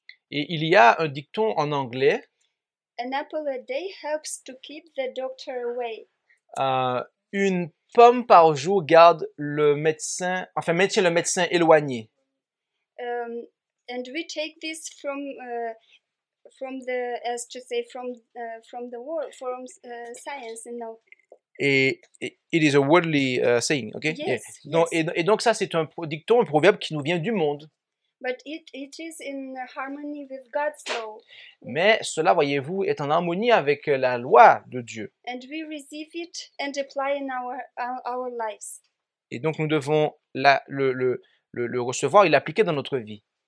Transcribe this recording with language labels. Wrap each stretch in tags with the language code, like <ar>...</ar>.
<fr>Et il y a un dicton en anglais.</fr> <en>An apple a day helps to keep the doctor away.</en> <fr>Une pomme par jour garde le médecin, enfin maintient le médecin éloigné.</fr> <en>And we take this from the, as to say, from the world, from science, you know. Et it is a worldly saying, okay? Yes. Yeah.</en> <fr>Donc, et donc ça c'est un dicton, un proverbe qui nous vient du monde.</fr> <en>But it is in harmony with God's law.</en> <fr>Mais cela, voyez-vous, est en harmonie avec la loi de Dieu.</fr> <en>And we receive it and apply in our lives.</en> <fr>Et donc nous devons le recevoir et l'appliquer dans notre vie.</fr>